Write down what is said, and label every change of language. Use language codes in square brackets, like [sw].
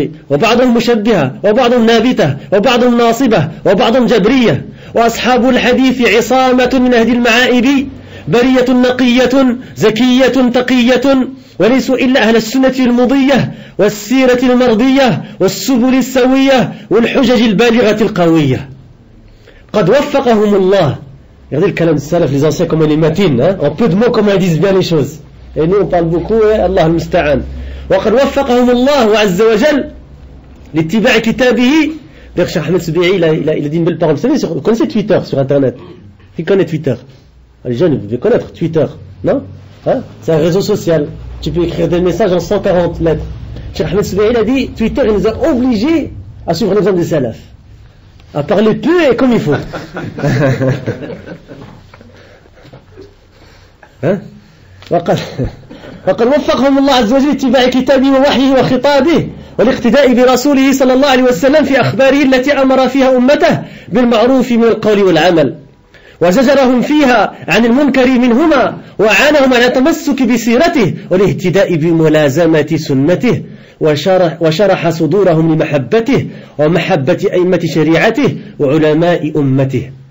[ar] وبعضهم مشبهة وبعضهم نابتة وبعضهم ناصبة وبعضهم جبرية وأصحاب الحديث عصامة من أهل المعائب برية نقية زكية تقية وليسوا إلا أهل السنة المضية والسيرة المرضية والسبل السوية والحجج البالغة القوية قد وفقهم الله. [fr] Regardez le kalam du salaf, les anciens comme les matines, en peu de mots comme ils disent bien les choses. Et nous on parle beaucoup, Allah al-musta'an. [ar] وقد وفقهم الله عز وجل لاتباع كتابه. [fr] Donc Cheikh Ahmed Soubiri, il a dit une belle parole. Vous connaissez Twitter sur internet? Qui connaît Twitter? Les jeunes, vous devez connaître Twitter, non? C'est un réseau social. Tu peux écrire des messages en 140 lettres. Cheikh Ahmed Soubiri a dit, Twitter nous a obligés à suivre l'exemple des salafs. À parler peu et comme il faut. [ar] وقد وفقهم الله عز وجل لاتباع كتابه ووحيه وخطابه والاقتداء برسوله صلى الله عليه وسلم في أخباره التي أمر فيها أمته بالمعروف من القول والعمل وزجرهم فيها عن المنكر منهما وعانهم على التمسك بسيرته والاهتداء بملازمة سنته وشرح صدورهم لمحبته ومحبة أئمة شريعته وعلماء أمته.